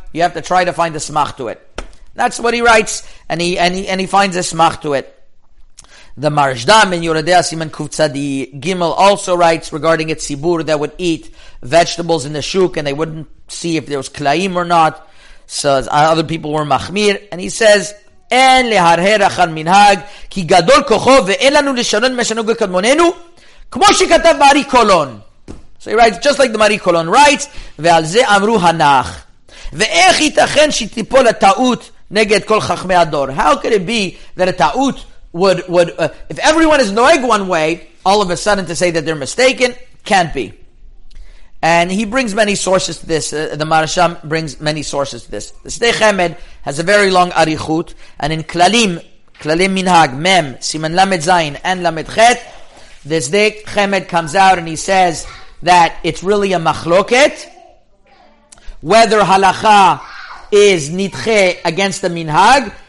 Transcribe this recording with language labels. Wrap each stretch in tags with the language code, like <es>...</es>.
<en>You have to try to find a smach to it. That's what he writes, and he finds a smach to it. The Marishdam in Yoredei Siman Kuvtzadi Gimel also writes regarding a tzibur that would eat vegetables in the shuk and they wouldn't see if there was klaim or not. So other people were machmir, and he says,</en> <he>אין להרהר אחר מנהג כי גדול כוחו ואין לנו לשנות משנהוג קדמוננו כמו שכתב מארי קולון.</he> <en>So he writes just like the מארי קולון writes,</en> <he>ועל זה אמרו הנח, ואיך ייתכן שתיפול הטעות נגד כל חכמי הדור.</he> <en>How could it be that a טעות would if everyone is knowing one way, all of a sudden to say that they're mistaken? Can't be. And he brings many sources to this. The Marasham brings many sources to this. The Sdeich Hemed has a very long Arichut. And in Klalim Minhag, Mem, Siman Lamed Zayin, and Lamed Chet, the Sdeich Hemed comes out and he says that it's really a machloket, whether halacha is nidche against the Minhag.</en>